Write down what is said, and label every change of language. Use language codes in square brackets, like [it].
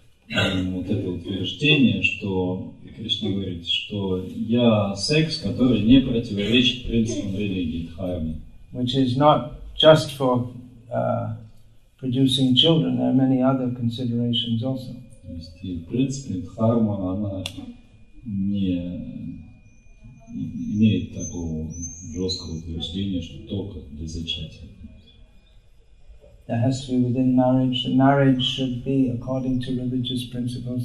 [ru] Вот это утверждение, что Кришна говорит, что я секс, который не противоречит принципам религии, дхарме. [en] Which is not just for producing children, there are many other considerations also. [ru] То есть, в принципе, дхарма, она не имеет такого жесткого утверждения, что только для зачатия. [en] That has to be within marriage. The marriage should be according to religious principles.